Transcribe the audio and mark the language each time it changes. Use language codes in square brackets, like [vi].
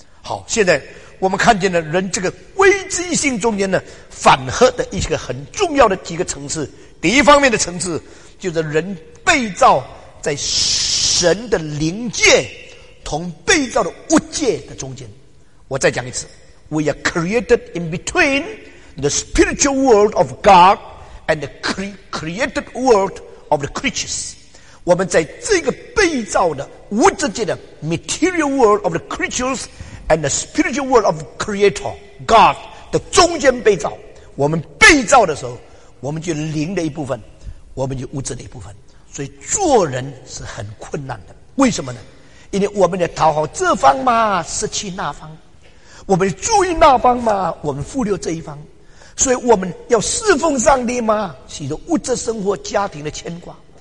[zh] 好，现在我们看见了人这个危机性中间呢，反合的一个很重要的几个层次。第一方面的层次就是人被造在神的灵界同被造的物界的中间。我再讲一次， We are created in between [en] the spiritual world of God and the created world of the creatures. [zh] 我们在这个被造的物质界的 material world of the creatures and the spiritual world of creator, God 的中间被造。我们被造的时候，我们就灵的一部分，我们就物质的一部分。所以做人是很困难的。为什么呢？因为我们得讨好这方嘛，失去那方。我们注意那方嘛，我们忽略这一方。所以我们要侍奉上帝嘛，许多物质生活家庭的牵挂。